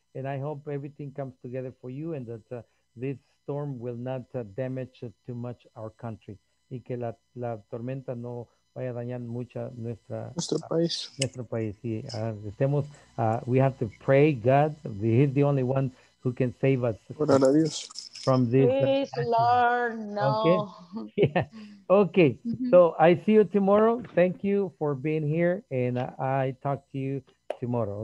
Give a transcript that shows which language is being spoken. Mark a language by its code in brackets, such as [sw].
[en] And I hope everything comes together for you and that this storm will not damage too much our country. [es] Y que la tormenta no vaya a dañar mucho nuestro país. Sí, estemos, [en] we have to pray God. He's the only one who can save us from this. Please, Lord, no. Okay. Yeah. Okay. Mm-hmm. So I see you tomorrow. Thank you for being here, and I talk to you tomorrow.